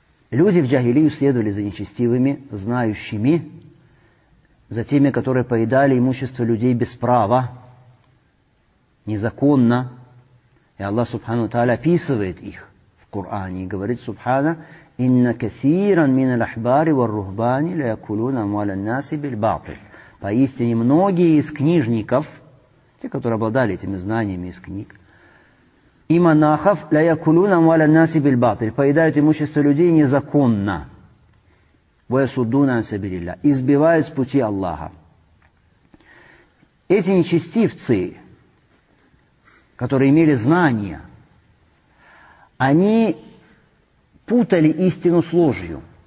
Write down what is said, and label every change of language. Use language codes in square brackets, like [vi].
[ru] Люди в джахилию следовали за нечестивыми знающими, за теми, которые поедали имущество людей без права, незаконно. И Аллах Субхану Тааля описывает их в Коране и говорит, Субхана, [ar] إن كثيرا من الأحبار والرهبان ليأكلون أموال الناس بالباطل. [ru] Поистине многие из книжников, те, которые обладали этими знаниями из книг, и монахов, [ar] ليأكلون أموال الناس بالباطل, [ru] поедают имущество людей незаконно. [ar] ويصدون عن سبيل الله, [ru] избивают с пути Аллаха. Эти нечестивцы, которые имели знания, они путали истину с ложью.